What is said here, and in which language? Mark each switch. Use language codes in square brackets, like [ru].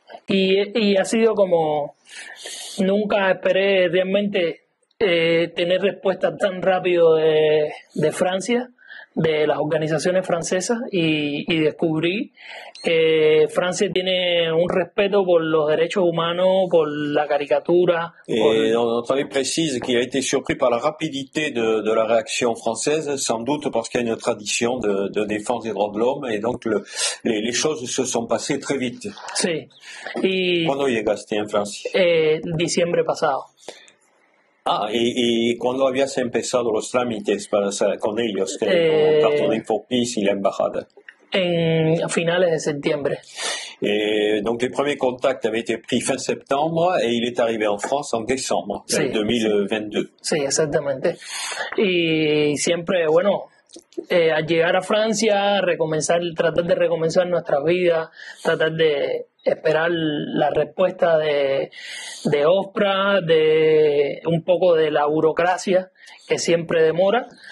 [es] Y ha sido como nunca esperé realmente tener respuesta tan rápido de Francia, de las organizaciones francesas, y descubrí que Francia tiene un respeto por los derechos humanos, por la caricatura. [fr] Y précise qu'il a été surpris par la rapidité de la réaction française, sans doute parce qu'il y a une tradition de défense des droits de l'homme, et donc les choses se sont passées très vite. [es] Sí. Y, ¿cuándo llegaste en Francia? Diciembre pasado. Ah, y cuando habías empezado los trámites con ellos, con Cartoon Info Peace y la embajada? En finales de septiembre. [fr] Donc les premiers contacts avaient été pris fin septembre et il est arrivé en France en décembre, sí, 2022. [es] Sí, exactamente. Y siempre, bueno, al llegar a Francia, tratar de recomenzar nuestras vidas, tratar de esperar la respuesta de OSPRA, de un poco de la burocracia que siempre demora.